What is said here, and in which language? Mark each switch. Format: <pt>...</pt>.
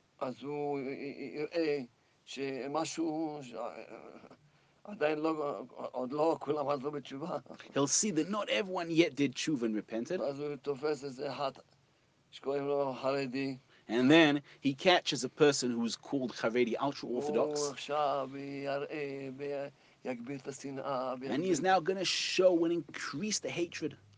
<he>אז הוא יראה שמשהו עדיין לא, עוד לא כולם עזרו בתשובה.</he> <en>He'll see that not everyone yet did tshuva and repented.</en> <he>אז הוא תופס איזה אחד שקוראים לו חרדי.</he> <en>And then he catches a person who is called Haredi, ultra-Orthodox. And he is now going to show and increase the hatred.</en>